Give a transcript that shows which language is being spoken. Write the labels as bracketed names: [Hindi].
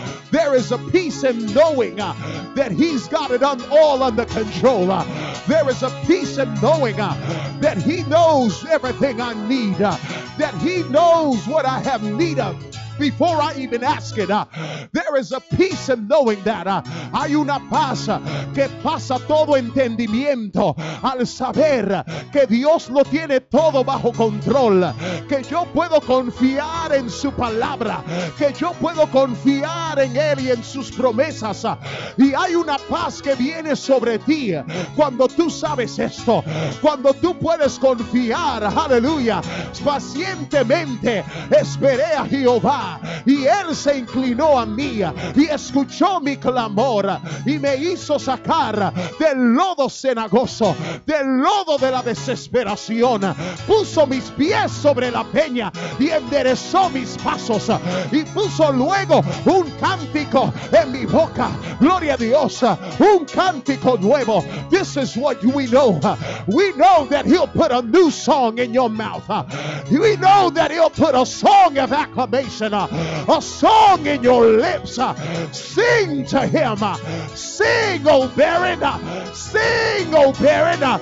[English] There is a peace in knowing that he's got it all under control. There is a peace in knowing that he knows everything I need. That he knows what I have need of before I even ask it. There is a peace in knowing that. [Spanish] Hay una paz que pasa todo entendimiento al saber que Dios lo tiene todo bajo control. Que yo puedo confiar en su palabra. Que yo puedo confiar en él y en sus promesas. Y hay una paz que viene sobre ti cuando tú sabes esto. Cuando tú puedes confiar, aleluya, pacientemente esperé a Jehová. Y él se inclinó a mí y escuchó mi clamor y me hizo sacar del lodo cenagoso, del lodo de la desesperación. Puso mis pies sobre la peña y enderezó mis pasos y puso luego un cántico en mi boca. Gloria a Dios, un cántico nuevo. [English] This is what we know. We know that he'll put a new song in your mouth. We know that he'll put a song of acclamation. A song in your lips. Sing to him. Sing, O barren. Sing, O barren.